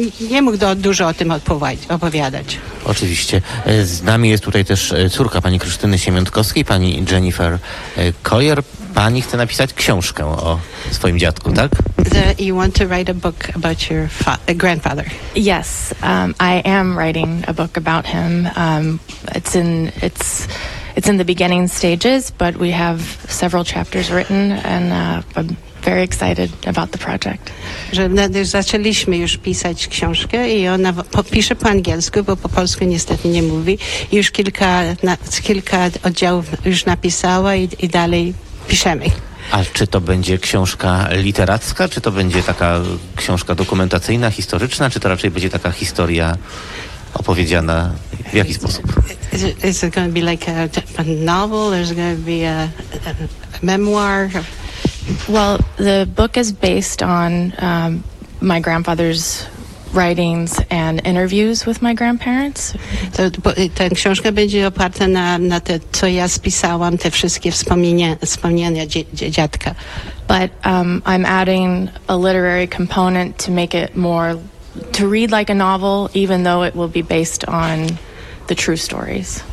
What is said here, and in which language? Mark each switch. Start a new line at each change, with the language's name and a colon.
Polish: nie mógł dużo o tym opowiadać. Oczywiście. Z nami jest tutaj też córka pani Krystyny Siemiątkowskiej, pani Jennifer Koyer. Pani chce napisać książkę o swoim dziadku, tak?
English: You want to write a book about your grandfather? Yes, I am writing a book about him. It's in the beginning stages, but we have several chapters written and I'm very excited about the project.
Polish: Że zaczęliśmy już pisać książkę i ona pisze po angielsku, bo po polsku niestety nie mówi. Już kilka oddziałów już napisała i dalej piszemy. A czy to będzie książka literacka, czy to będzie taka książka dokumentacyjna, historyczna, czy to raczej będzie taka historia opowiedziana w jaki sposób?
English: Is it going to be like a novel, or is it going to be a memoir? Well, the book is based on my grandfather's writings and interviews with my grandparents.
Polish: So, ta książka będzie oparta na te, co ja spisałam, te wszystkie wspomnienia dziadka.
English: But I'm adding a literary component to make it more to read like a novel, even though it will be based on the true stories.